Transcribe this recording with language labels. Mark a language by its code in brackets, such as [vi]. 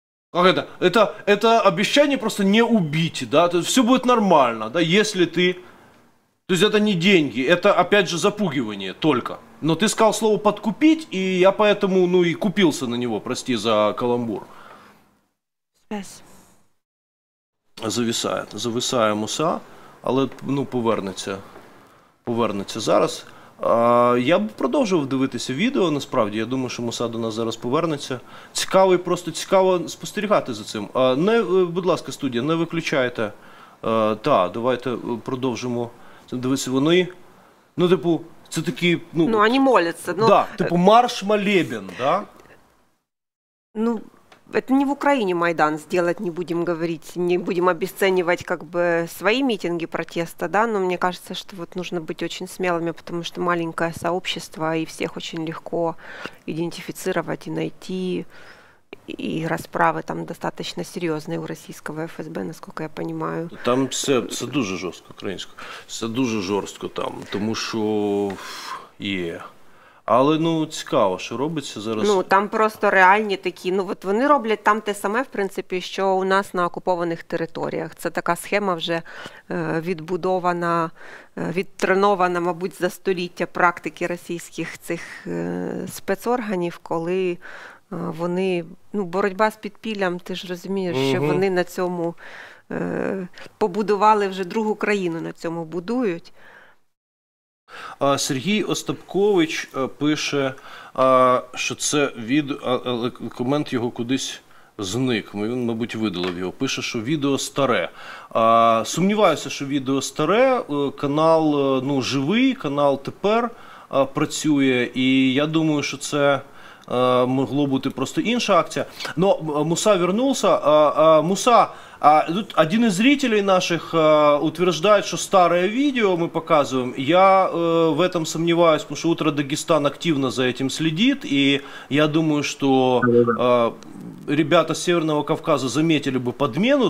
[ru] Как это обещание просто не убить, да, то есть все будет нормально, да, если ты, то есть это не деньги, это опять же запугивание только, но ты сказал слово подкупить, и я поэтому, ну и купился на него, прости за каламбур. [en] Yes. [uk] Зависає Муса, але, ну, повернеться зараз. Я б продовжував дивитися відео, насправді, я думаю, що Муса до нас зараз повернеться. Цікаво спостерігати за цим. Будь ласка, студія, не виключайте. Давайте продовжимо дивитися. Вони, Це такі, ну, [ru] ну они моляться, ну, да, типу марш-молебен, да? Ну, это не в Украине Майдан сделать, не будем говорить, не будем обесценивать как бы свои митинги протеста, да, но мне кажется, что вот нужно быть очень смелыми, потому что маленькое сообщество, и всех очень легко идентифицировать и найти, и расправы там достаточно серьезные у российского ФСБ, насколько я понимаю. [uk] Там все, все дуже жорстко, українсько, все дуже жорстко там, тому що є... Але, ну, цікаво, що робиться зараз. Ну, там просто реальні такі, ну, от вони роблять там те саме, в принципі, що у нас на окупованих територіях. Це така схема вже відбудована, відтренована, мабуть, за століття практики російських цих спецорганів, коли вони, ну, боротьба з підпіллям, ти ж розумієш, угу. Що вони на цьому побудували вже другу країну, на цьому будують. Сергій Остапкович пише, що це від... документ його кудись зник, він, мабуть, видалив його. Пише, що відео старе. Сумніваюся, що відео старе, канал, ну, живий, канал тепер працює, і я думаю, що це могло бути просто інша акція. [ru] Но Муса вернулся. Муса, тут один из зрителей наших утверждает, что старое видео мы показываем. Я в этом сомневаюсь, потому что «Утро Дагестан» активно за этим следит. И я думаю, что ребята с Северного Кавказа заметили бы подмену.